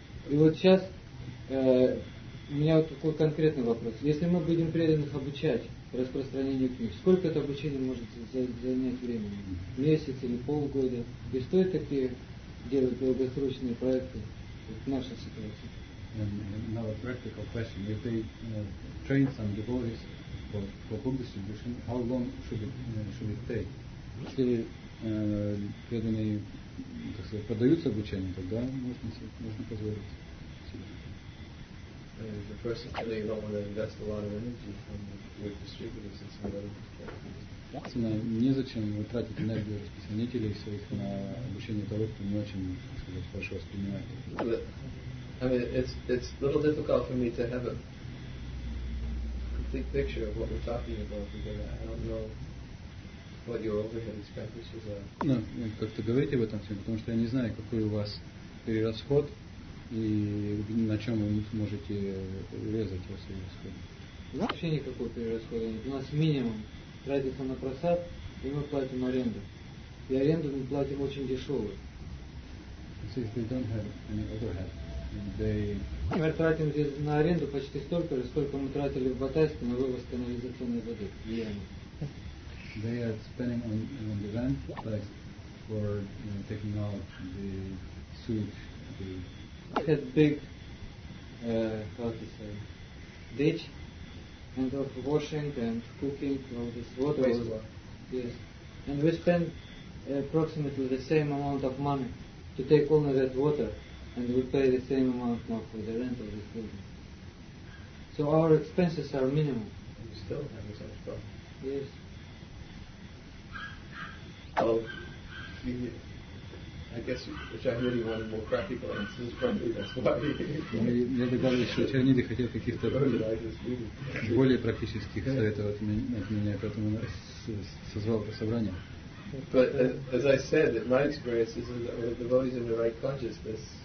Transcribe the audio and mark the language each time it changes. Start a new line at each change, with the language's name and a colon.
Russian: И вот сейчас у меня вот такой конкретный вопрос. Если мы будем преданных обучать распространению книг, сколько это обучение может занять времени? Месяц или полгода? И стоит такие делать долгосрочные проекты в нашей ситуации?
English: Now a practical question. If they train some devotees for book distribution, how long should it take?
Russian: Если преданные, так сказать, поддаются обучению, тогда можно позволить себе.
English: The person today don't want to invest a lot of energy from the distributors and some other things.
Russian: Ясно, незачем тратить энергию распространителей своих на обучение того, кто не очень, так сказать, хорошо воспринимает.
English: I mean, it's a little difficult for me to have a complete picture of what we're talking about because I don't know what your overhead expenses are.
Russian: Ну, как-то говорите об этом всем, потому что я не знаю, какой у вас перерасход и на чем вы можете резать ваши расходы. Вообще никакого перерасхода нет. У нас минимум тратится на просад, и мы платим аренду. И аренду мы платим очень дешевую.
English: So if we don't have any overhead.
Russian: Мы тратим здесь на аренду почти столько же, сколько мы тратили в Батайске на вывоз канализационной воды в Яме.
English: They are spending on the rent, like for taking out the sewage. We had big, how to say, ditch, and of washing and cooking all this water. Wastewater. Yes. And we spend approximately the same amount of money to take only that water. And we pay the same amount now for the rent of this building. So our expenses are minimal. And you still have so much profit. Yes. I guess Shahmuri wanted more practical answers, probably that's why.
Russian: Я догадываюсь, что Чернили хотел каких-то более практических советов от меня, поэтому созвал это собрание.
English: But as I said, my experience is that the devotees in the right consciousness.